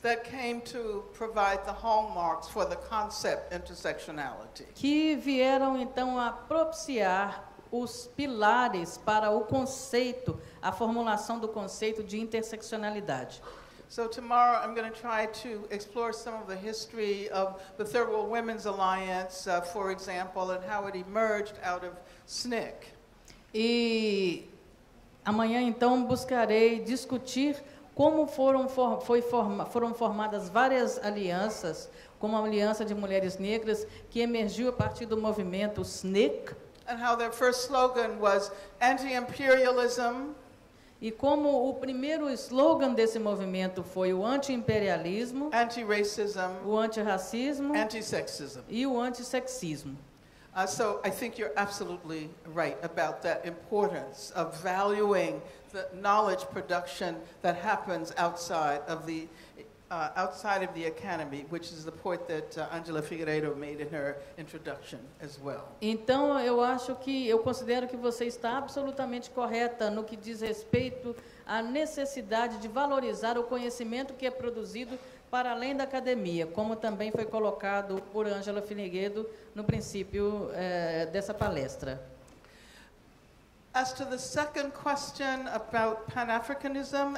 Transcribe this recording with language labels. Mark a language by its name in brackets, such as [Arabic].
[English] That came to provide the hallmarks for the concept intersectionality. [Portuguese] Que vieram então a propiciar os pilares para o conceito, a formulação do conceito de interseccionalidade. [English] So tomorrow I'm going to try to explore some of the history of the Third World Women's Alliance, for example, and how it emerged out of SNCC. [Portuguese] E amanhã, então, buscarei discutir como foram formadas várias alianças, como a Aliança de Mulheres Negras, que emergiu a partir do movimento SNCC. [English] And how their first slogan was anti-imperialism. [Portuguese] E como o primeiro slogan desse movimento foi o anti-imperialismo, [English] anti-racism, [Portuguese] o anti-racismo, [English] anti-sexism. [Portuguese] E o anti-sexismo. [English] So I think you're absolutely right about that importance of valuing the knowledge production that happens outside of the academy, which is the point that Angela Figueiredo made in her introduction as well. [Portuguese] Então eu acho que eu considero que você está absolutamente correta no que diz respeito à necessidade de valorizar o conhecimento que é produzido para além da academia, como também foi colocado por Angela Figueiredo no princípio dessa palestra. [English] As to the second question about Pan-Africanism.